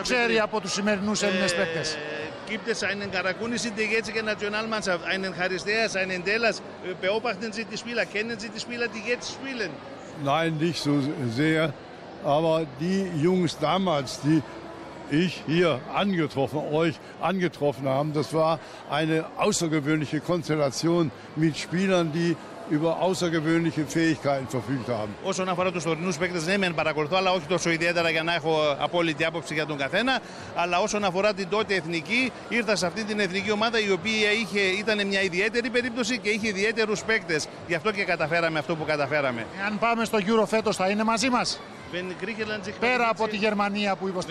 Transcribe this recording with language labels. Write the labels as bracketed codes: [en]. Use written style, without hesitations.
[el] ξέρει από τους σημερινούς Έλληνες παίκτες? [de] Gibt es einen Karakunis in der jetzigen Nationalmannschaft, einen Charisteas, einen Delas? Beobachten Sie die Spieler? Kennen Sie die Spieler, die jetzt spielen? Nein, nicht so sehr. Aber die Jungs damals, die ich hier angetroffen, euch angetroffen haben, das war eine außergewöhnliche Konstellation mit Spielern, die über außergewöhnliche Fähigkeiten verfügt haben. [el] Όσον αφορά τους τωρινούς παίκτες, ναι, μεν παρακολουθώ, αλλά όχι τόσο ιδιαίτερα για να έχω απόλυτη άποψη για τον καθένα. Αλλά όσον αφορά την τότε εθνική, ήρθα σε αυτή την εθνική ομάδα η οποία ήταν μια ιδιαίτερη περίπτωση και είχε ιδιαίτερους παίκτες. Γι' αυτό και καταφέραμε αυτό που καταφέραμε. Εάν πάμε στο Euro φέτος, θα είναι μαζί μας? Πέρα από τη Γερμανία που